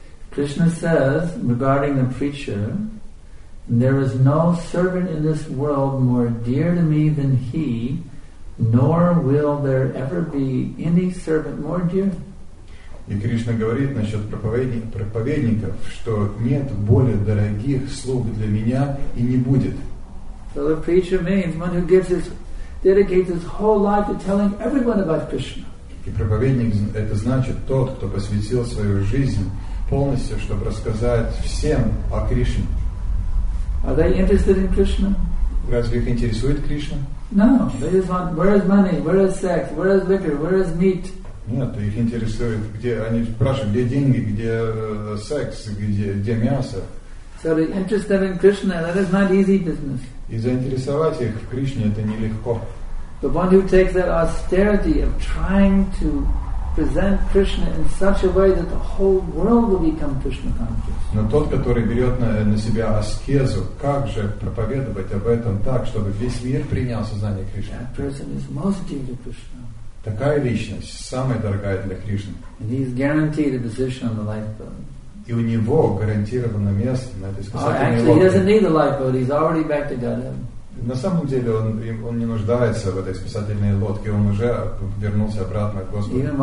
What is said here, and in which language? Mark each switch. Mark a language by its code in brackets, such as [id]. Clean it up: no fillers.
[en] Krishna says regarding the preacher, there is no servant in this world more dear to me than he, nor will there ever be any servant more dear. [ru] И Кришна говорит насчет проповедников, что нет более дорогих слуг для меня и не будет. [en] So the preacher means one who dedicates his whole life to telling everyone about Krishna. [ru] И проповедник – это значит тот, кто посвятил свою жизнь полностью, чтобы рассказать всем о Кришне. [en] Are they interested in Krishna? [ru] Разве их интересует Кришна? [en] No, they just want, where is money, where is sex, where is liquor, where is meat? [ru] Нет, их интересует, где они спрашивают, где деньги, где секс, где мясо. [en] So the interest them in Krishna, that is not easy business. [ru] И заинтересовать их в Кришне это нелегко. [en] The one who takes that austerity of trying to present Krishna in such a way that the whole world will become Krishna conscious. [ru] Но тот, который берет на себя аскезу, как же проповедовать об этом так, чтобы весь мир принял сознание Кришны? [en] That person is most dear to Krishna. [ru] Такая личность самая дорогая для Кришны. [en] And he is guaranteed a position on the lifeboat. [ru] И у него гарантировано место на этой спасательной лодке. [en] Actually, he doesn't need the lifeboat. He's already back to Godhead. [ru] На самом деле он не нуждается в этой спасательной лодке, он уже вернулся обратно к Господу.